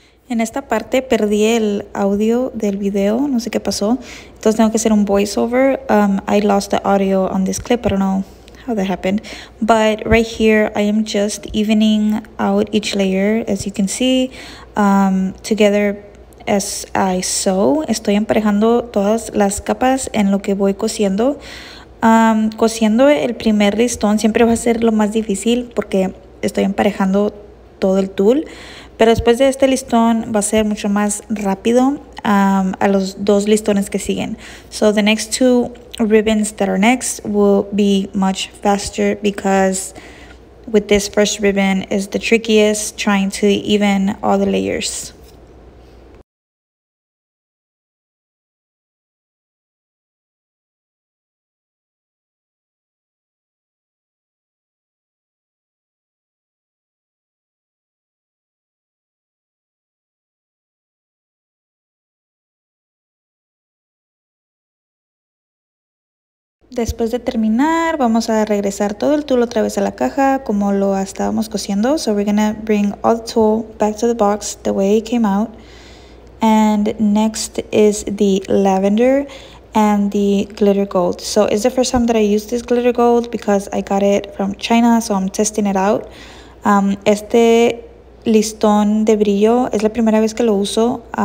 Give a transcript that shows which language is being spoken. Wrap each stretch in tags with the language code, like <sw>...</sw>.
<es>En esta parte perdí el audio del video, no sé qué pasó, entonces tengo que hacer un voiceover.</es> <en>I lost the audio on this clip, I don't know how that happened, but right here I am just evening out each layer, as you can see, together. As I sew,</en> <es>estoy emparejando todas las capas en lo que voy cosiendo. Cosiendo el primer listón siempre va a ser lo más difícil porque estoy emparejando todo el tul. Pero después de este listón va a ser mucho más rápido a los 2 listones que siguen.</es> <en>So the next 2 ribbons that are next will be much faster because with this first ribbon is the trickiest, trying to even all the layers.</en> <es>Después de terminar, vamos a regresar todo el tul otra vez a la caja como lo estábamos cosiendo.</es> <en>So we're gonna bring all the tul back to the box the way it came out. And next is the lavender and the glitter gold. So it's the first time that I use this glitter gold because I got it from China, so I'm testing it out.</en> <es>Este listón de brillo es la primera vez que lo uso.</es>